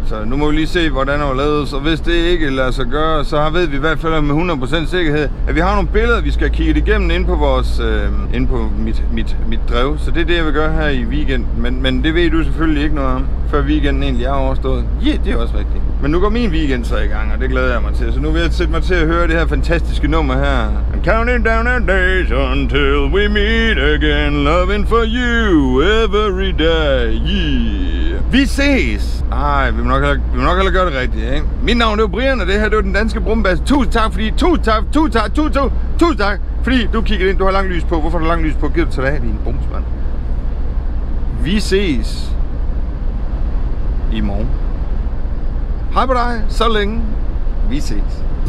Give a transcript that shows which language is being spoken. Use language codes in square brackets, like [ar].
[da] Så nu må vi lige se, hvordan det er lavet. Og hvis det ikke lader sig gøre, så ved vi i hvert fald med 100% sikkerhed, at vi har nogle billeder, vi skal kigge igennem ind på mit drev. Så det er det, jeg vil gøre her i weekenden. Men det ved du selvfølgelig ikke noget om, før weekenden egentlig er overstået. Ja, det er også rigtigt. Men nu går min weekend så i gang, og det glæder jeg mig til. Så nu vil jeg sætte mig til at høre det her fantastiske nummer her. [en] I'm counting down our days until we meet again. Loving for you every day. [da] Yeah. Vi ses! Ej, vi må nok heller gøre det rigtigt, ikke? Mit navn er Brian, og det her det var den danske brumbasse. Tusind tak, fordi du kiggede ind. Du har lang lys på. Hvorfor har du lang lys på? Giv det til dig, din brumsmand. Vi ses i morgen. Hej på dig, så længe. Vi ses.